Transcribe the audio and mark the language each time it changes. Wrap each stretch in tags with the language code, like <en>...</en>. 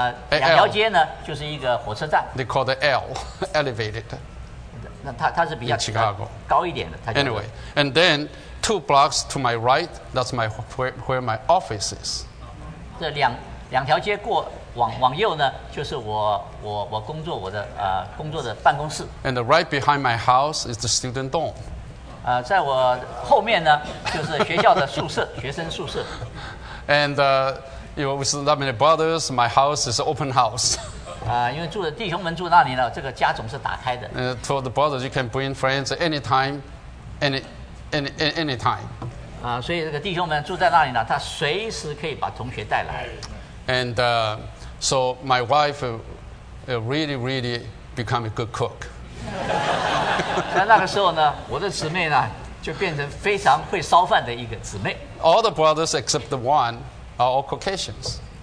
<zh>两条街呢就是一个火车站。</zh> <en>They call the L elevated.</en> <zh>那它是比较</zh> <en>Chicago</en> <zh>高一点的。</zh> <en>Anyway, and then. Two blocks to my right, that's my where my office is.</en> <zh>这两条街过往右呢，就是我工作我的工作的办公室。</zh> <en>And the right behind my house is the student dorm.</en> <zh>在我后面呢，就是学校的宿舍，学生宿舍。</zh> <en>And you know, with that many brothers, my house is open house.</en> <zh>因为住的弟兄们住那里呢，这个家总是打开的。</zh> <en>To the brothers, you can bring friends anytime, any time.</en> <zh>所以这个弟兄们住在那里呢，他随时可以把同学带来。</zh> <en>And so my wife really become a good cook.</en> <zh>在那个时候呢，我的姊妹呢就变成非常会烧饭的一个姊妹。</zh> <en>All the brothers except the one are all Caucasians.</en>